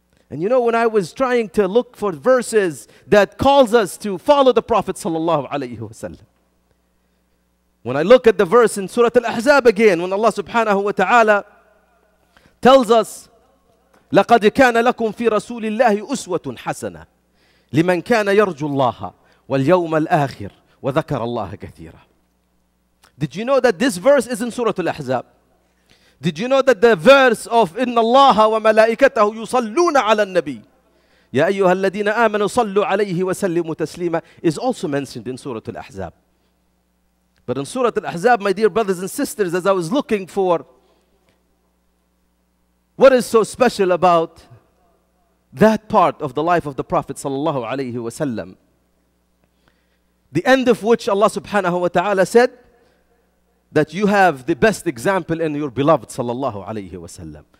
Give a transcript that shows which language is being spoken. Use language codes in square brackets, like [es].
[en] And you know, when I was trying to look for verses that calls us to follow the Prophet sallallahu alayhi wasallam, when I look at the verse in Surah Al-Ahzab again, when Allah subhanahu wa ta'ala tells us, [ar] لَقَدْ كَانَ لَكُمْ فِي رَسُولِ اللَّهِ أُسْوَةٌ حَسَنَةٌ لِمَنْ كَانَ يَرْجُ اللَّهَ وَالْيَوْمَ الْآخِرِ وَذَكَرَ اللَّهَ كَثِيرًا. [en] Did you know that this verse is in Surah Al-Ahzab? Did you know that the verse of [ar] إِنَّ اللَّهَ وَمَلَائِكَتَهُ يُصَلُّونَ عَلَى النَّبِيِّ يَا أَيُّهَا الَّذِينَ آمَنُوا صَلُّوا عَلَيْهِ وَسَلِّمُوا تَسْلِيمًا [en] is also mentioned in Surah Al-Ahzab. But in Surah Al-Ahzab, my dear brothers and sisters, as I was looking for what is so special about that part of the life of the Prophet sallallahu alayhi wa sallam, the end of which Allah subhanahu wa ta'ala said that you have the best example in your beloved sallallahu alayhi wa sallam.